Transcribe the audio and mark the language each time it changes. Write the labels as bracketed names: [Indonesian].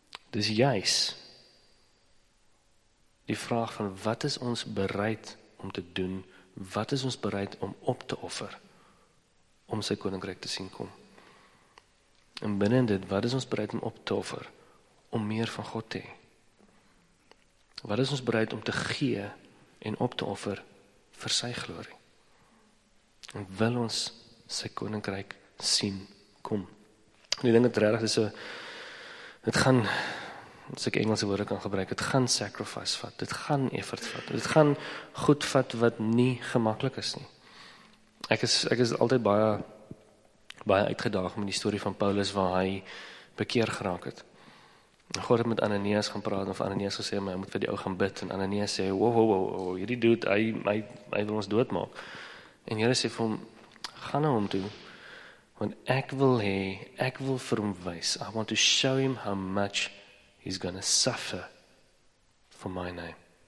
[Afrikaans] Dis juist die vraag van wat is ons bereid om te doen, wat is ons bereid om op te offer om sy koninkryk te sien kom. En binnen dit, wat is ons bereid om op te offer om meer van God te hê? Wat is ons bereid om te gee en op te offer vir sy glorie? En wil ons sy koninkryk sien kom? En die ding het redig, het gaan, as ek Engelse woorde kan gebruik, het gaan sacrifice vat, het gaan effort vat, het gaan goed vat wat nie gemakkelijk is nie. Ek is altyd baie uitgedaag met die story van Paulus waar hy bekeer geraak het. God het met Ananias gaan praat, of Ananias gesê, maar hy moet vir die ou gaan bid, en Ananias sê, wow, hierdie dude, hy wil ons doodmaak. En Here sê vir hom, ga na hom toe, want ek wil vir hom wys, [English] I want to show him how much he's gonna suffer for my name.